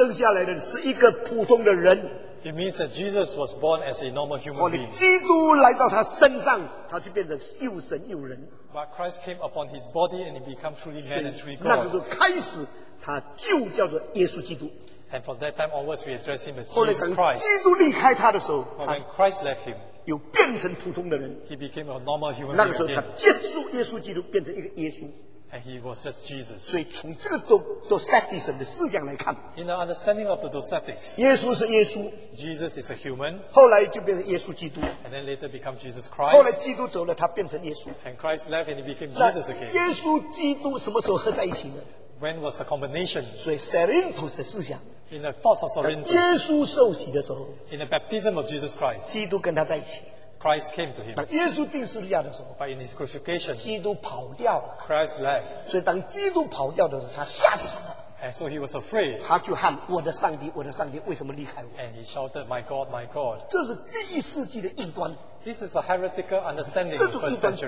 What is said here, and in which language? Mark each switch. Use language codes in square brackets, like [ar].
[zh] 所以呢，意思就是说，当耶稣生下来的是一个普通的人。 [en] It means that Jesus was born as a normal human being. [zh] 基督来到他身上，他就变成又神又人。 [en] But Christ came upon his body and he became truly man and truly God. [zh] 那个时候开始。他就叫做耶稣基督。 [en] And from that time onwards, we address him as Jesus Christ. [zh] 基督离开他的时候， [en] But when Christ left him, [zh] 又变成普通的人。 [en] He became a normal human being. [zh] 那个时候他接触耶稣基督，变成一个耶稣。 [en] And he was just Jesus. [zh] 所以从这个Docetism的思想来看， [en] In the understanding of the Docetics, [zh] 耶稣是耶稣， [en] Jesus is a human. [zh] 后来就变成耶稣基督。 [en] And then later become Jesus Christ. [zh] 后来基督走了，他变成耶稣。 [en] And Christ left and he became Jesus again. [zh] 耶稣基督什么时候合在一起呢？ [en] When was the combination? [zh] 所以 Serentos 的思想， [en] In the thoughts of Serentos, [zh] 耶稣受洗的时候， [en] In the baptism of Jesus Christ, [zh] 基督跟他在一起， [en] Christ came to him. [zh] 当耶稣钉十字架的时候， [en] But in his crucifixion, [zh] 基督跑掉了， [en] Christ left. [zh] 所以当基督跑掉的时候， 他吓死了。 [en] And so he was afraid. [zh] 他就喊， 我的上帝， 我的上帝， 为什么离开我？ [en] And he shouted, my God, my God. [zh] 这是第一世纪的异端。 [en] This is a heretical understanding of first century.